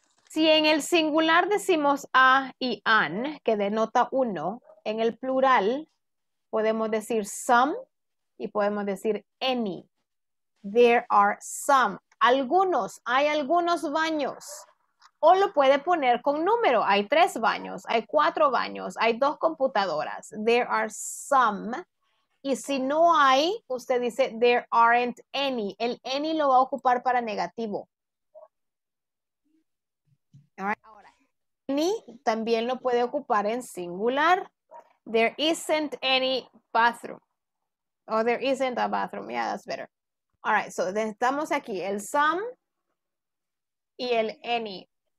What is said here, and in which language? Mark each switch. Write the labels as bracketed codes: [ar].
[es] Si en el singular decimos a y an, que denota uno, en el plural podemos decir some y podemos decir any. [en] There are some. [es] Algunos, hay algunos baños. O lo puede poner con número. Hay tres baños, hay cuatro baños, hay dos computadoras. [en] There are some. [es] Y si no hay, usted dice [en] there aren't any. [es] El any lo va a ocupar para negativo. Ahora, any también lo puede ocupar en singular. [en] There isn't any bathroom. Oh, there isn't a bathroom. Yeah, that's better. All right, so [es] estamos aquí, el some y el any.